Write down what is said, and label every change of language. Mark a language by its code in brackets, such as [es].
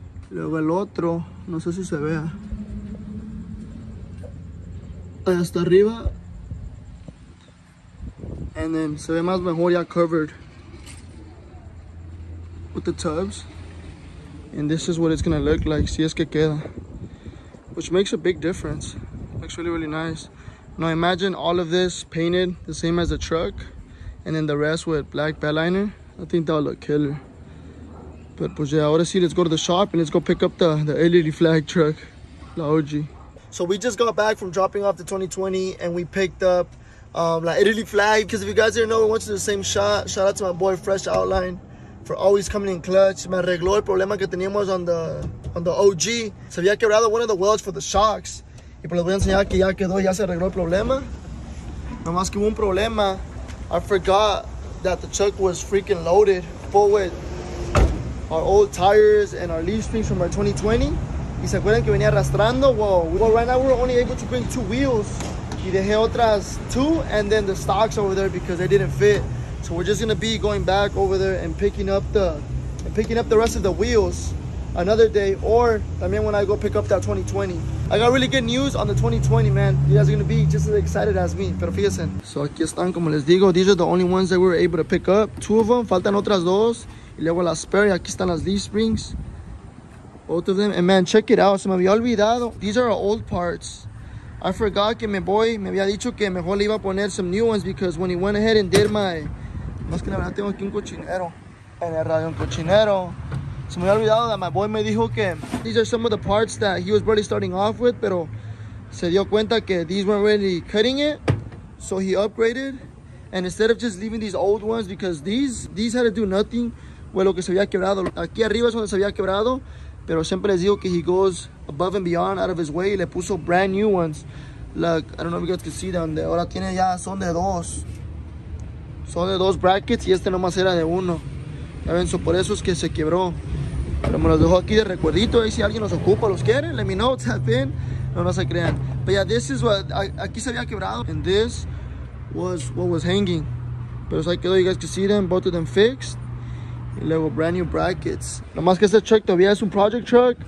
[es] Luego el otro, no sé si se vea. Allá hasta arriba. And then se ve más mejor ya [en] covered with the tubs. And this is what it's gonna look like, [es] si es que queda. [en] Which makes a big difference. Looks really, really nice. Now imagine all of this painted the same as the truck, and then the rest with black bed liner. I think that would look killer. But pues yeah, [es] ahora sí, [en] let's go to the shop and let's go pick up the LED flag truck, la OG. So we just got back from dropping off the 2020 and we picked up la LED flag, because if you guys didn't know, we went to the same shot. Shout out to my boy Fresh Outline for always coming in clutch. [es] Me arregló el problema que teníamos [en] on the OG. [es] Se había quebrado [en] one of the welds for the shocks. [es] Y pues les voy a enseñar que ya quedó, ya se arregló el problema. Nomás que hubo un problema. [en] I forgot that the truck was freaking loaded forward. Our old tires and our leaf springs from our 2020. [es] Y se acuerdan que venía arrastrando? [en] Well, right now we're only able to bring two wheels. [es] Y dejé otras [en] two, and then the stocks over there because they didn't fit. So we're just gonna be going back over there and picking up the rest of the wheels another day, or también when I go pick up that 2020. I got really good news on the 2020, man. You guys are gonna be just as excited as me, [es] pero fíjense. [en] So [es] aquí están, como les digo, [en] these are the only ones that we were able to pick up. [es] Two of them, faltan otras dos. Y luego las spare, aquí están las leaf springs. [en] Both of them. And man, check it out. [es] Se me había olvidado. [en] These are our old parts. I forgot [es] que mi boy me había dicho que mejor le iba a poner [en] some new ones, because when he went ahead and did my... [es] Más que la verdad, tengo aquí un cochinero. En el radio, un cochinero. Se me había olvidado [en] that my boy [es] me dijo que... [en] These are some of the parts that he was really starting off with, [es] pero se dio cuenta que [en] these weren't really cutting it. So he upgraded. And instead of just leaving these old ones, because these had to do nothing. [es] Bueno, que se había quebrado. [en] Aquí arriba es donde se había quebrado. [es] Pero siempre les digo que [en] he goes above and beyond out of his way. [es] Le puso [en] brand new ones. Look, I don't know if you guys can see them. [es] Ahora tiene ya, son de dos. Son de dos brackets y este nomás era de uno. Ya ven, so por eso es que se quebró. Pero me los dejo aquí de recuerdito. Ahí si alguien los ocupa, los quiere, [en] let me know, tap in. [es] No, no se crean. [en] But yeah, this is what, [es] aquí se había quebrado. [en] And this was what was hanging. [es] Pero ahí quedó, [en] you guys can see them, both of them fixed. Luego brand new brackets. [es] Nomás que este truck todavía es un project truck.